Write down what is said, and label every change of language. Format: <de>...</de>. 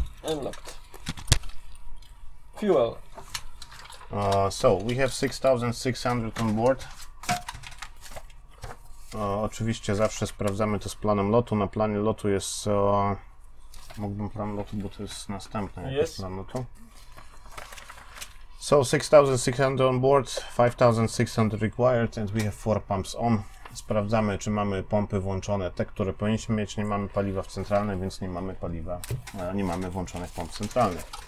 <en>And locked. Fuel. So, we have 6600 on board.</en> <pl>Oczywiście zawsze sprawdzamy to z planem lotu. Na planie lotu jest... mógłbym plan lotu, bo to jest następny plan lotu.</pl> <en>So 6600 on board, 5600 required, and we have 4 pumps on.</en> <pl>Sprawdzamy, czy mamy pompy włączone, te, które powinniśmy mieć. Nie mamy paliwa w centralnej, więc nie mamy paliwa, nie mamy włączonych pomp centralnych.</pl>